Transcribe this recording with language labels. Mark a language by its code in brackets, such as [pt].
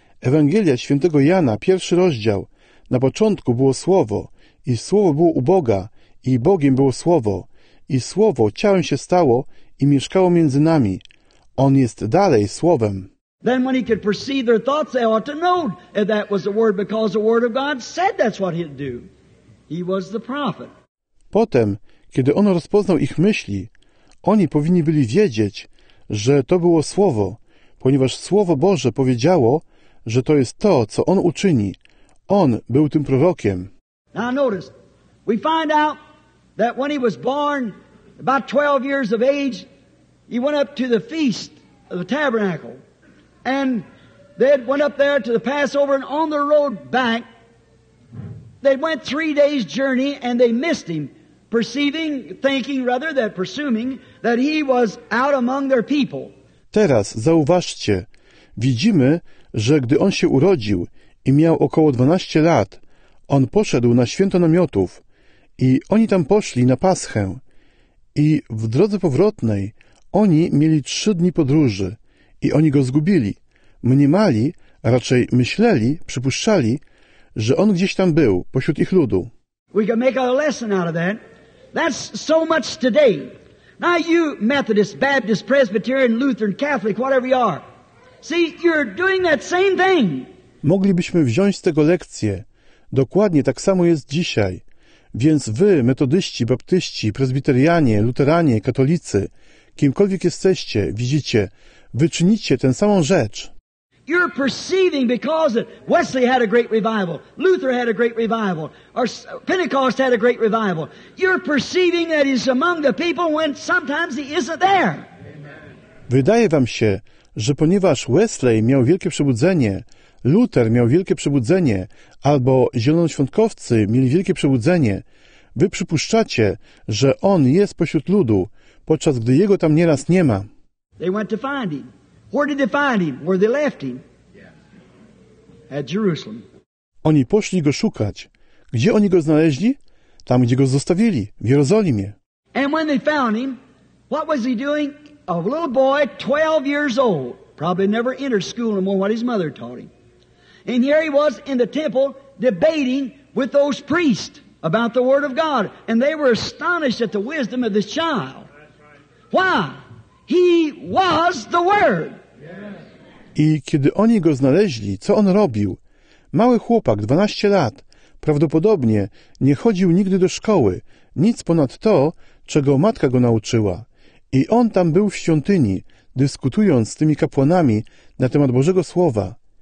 [pl] Ewangelia Świętego Jana, pierwszy rozdział. Na początku było Słowo, i Słowo było u Boga, i Bogiem było Słowo. I Słowo ciałem się stało i mieszkało między nami. On jest dalej Słowem. [en] Then when he could perceive their thoughts, they ought to know that that was the word, because the word of God said that's what he'd do. He was the prophet. [pl] Potem, kiedy on rozpoznał ich myśli, oni powinni byli wiedzieć, że to było Słowo, ponieważ Słowo Boże powiedziało, że to jest to, co on uczyni. On był tym prorokiem. [en] Now notice, we find out that when he was born, about 12 years of age, he went up to the feast of the tabernacle. And they went up there to the Passover, and on the road back, they went 3 days' journey, and they missed him, presuming that he was out among their people. [pl] Teraz zauważcie, widzimy, że gdy on się urodził i miał około 12 lat, on poszedł na święto namiotów, i oni tam poszli na Paschę. I w drodze powrotnej oni mieli 3 dni podróży i oni go zgubili. Mniemali, a raczej myśleli, przypuszczali, że on gdzieś tam był, pośród ich ludu. [en] We can make a lesson out of that. That's so much today. Now you, Methodist, Baptist, Presbyterian, Lutheran, Catholic, whatever you are. See, you're doing that same thing. [pl] Moglibyśmy wziąć z tego lekcję. Dokładnie tak samo jest dzisiaj. Więc wy, metodyści, baptyści, prezbiterianie, luteranie, katolicy, kimkolwiek jesteście, widzicie, wy czynicie tę samą rzecz. [en] You're perceiving because Wesley had a great revival, Luther had a great revival, or Pentecost had a great revival. You're perceiving that he's among the people when sometimes he isn't there. [pl] Wydaje wam się, że ponieważ Wesley miał wielkie przebudzenie, Luther miał wielkie przebudzenie, albo zielonoświątkowcy mieli wielkie przebudzenie, wy przypuszczacie, że on jest pośród ludu, podczas gdy jego tam nieraz nie ma. [en] They went to find him. Where did they find him? Where they left him? At Jerusalem. [pl] Oni poszli go szukać. Gdzie oni go znaleźli? Tam, gdzie go zostawili, w Jerozolimie. [en] And when they found him, what was he doing? A little boy, 12 years old, probably never entered school no more what his mother taught him. And here he was in the temple debating with those priests about the word of God. And they were astonished at the wisdom of this child. Why? He was the word. [pl] I kiedy oni go znaleźli, co on robił? Mały chłopak, 12 lat, prawdopodobnie nie chodził nigdy do szkoły, nic ponad to, czego matka go nauczyła. I on tam był w świątyni, dyskutując z tymi kapłanami na temat Bożego Słowa.